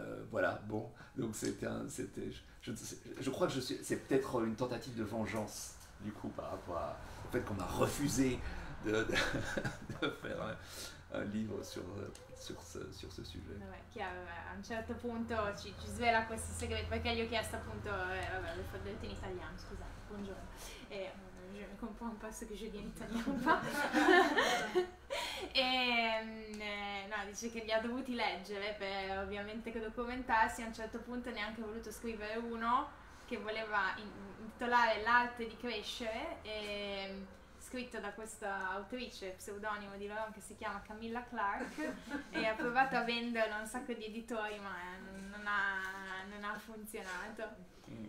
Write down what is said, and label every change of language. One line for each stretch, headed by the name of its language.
French: Voilà, bon, donc je crois que c'est peut-être une tentative de vengeance. Du coup, par rapport au fait qu'on a refusé de faire un livre sur ce sujet.
Italian: Vabbè, chiaro, a un certo punto ci svela questo segreto, perché gli ho chiesto appunto, vabbè, l'ho detto in italiano, scusate, buongiorno.
French: Je comprends pas ce que je dis en italien ou pas.
Italian: No, dice che li ha dovuti leggere per ovviamente documentarsi. A un certo punto ne ha anche voluto scrivere uno che voleva intitolare L'arte di crescere, scritto da questa autrice, pseudonimo di loro, che si chiama Camilla Clark, e ha provato a vendere un sacco di editori, ma non ha funzionato.